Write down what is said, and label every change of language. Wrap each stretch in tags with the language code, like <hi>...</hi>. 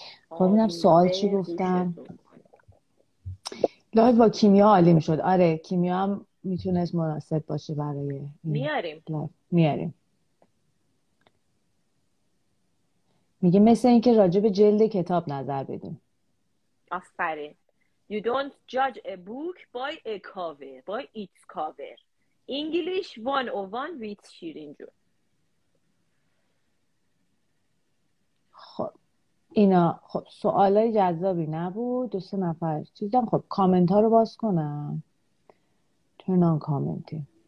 <fa>خب اینم سوال چی گفتم؟ لایو با کیمیا عالی میشد. آره کیمیا هم میتونست مناسب باشه برای این. میاریم میگه مثل این که راجب جلد کتاب نظر بدیم. آفرین.</fa> <en>You don't judge a book by a cover, by its cover. English 101 with Shirin جون.</en> <fa>خب اینا خب سوالای جذابی نبود. دو سه نفر چیزم. خب کامنت ها رو باز کنم.</fa> <en>Turn on commenting.</en>